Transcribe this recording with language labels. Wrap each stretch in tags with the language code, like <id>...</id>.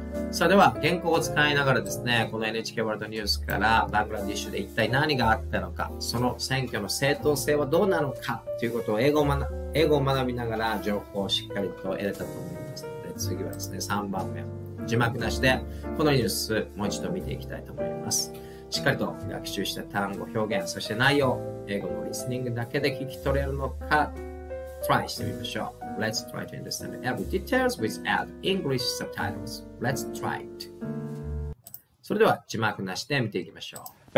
<ja>さあでは原稿を使いながらですね、この NHK ワールドニュースからバングラディッシュで一体何があったのか、その選挙の正当性はどうなのかということを英語を学びながら情報をしっかりと得れたと思いますので、次はですね3番目、字幕なしでこのニュースもう一度見ていきたいと思います。しっかりと学習した単語表現、そして内容、英語のリスニングだけで聞き取れるのか、Try してみましょう。</ja> <en>Let's try to understand every details with add English subtitles. Let's try it.</en> <ja>それでは字幕なしで見ていきましょう。</ja>